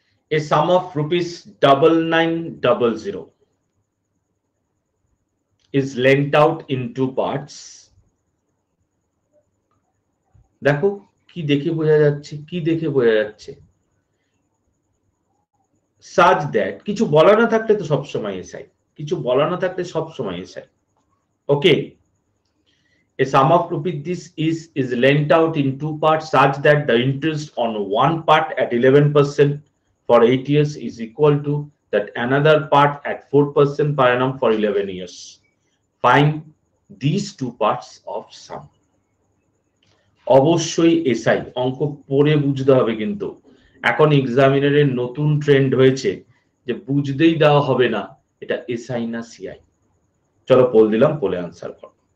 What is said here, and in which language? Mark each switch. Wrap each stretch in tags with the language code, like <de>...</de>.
<en>A sum of rupees 9900 is lent out in two parts.</en> <bn>দেখো কি দেখে বোঝা যাচ্ছে, কি দেখে বোঝা যাচ্ছে,</bn> <en>such that,</en> <bn>কিছু বলা না থাকলে তো সব সময় এসআই, কিছু বলা না থাকলে সব সময় SI.</bn> <en>Okay, a sum of rupees this is lent out in two parts such that the interest on one part at 11% for 8 years is equal to that another part at 4% per annum for 11 years. Find these two parts of sum.</en> <bn>অবশ্যই SI, অঙ্ক পড়ে বুঝতে হবে, কিন্তু এখন এক্সামিনারের নতুন trend হয়েছে যে বুঝতেই দেওয়া হবে না এটা এসআই না সিআই। চলো পোল দিলাম, পোলে আনসার কর।</bn>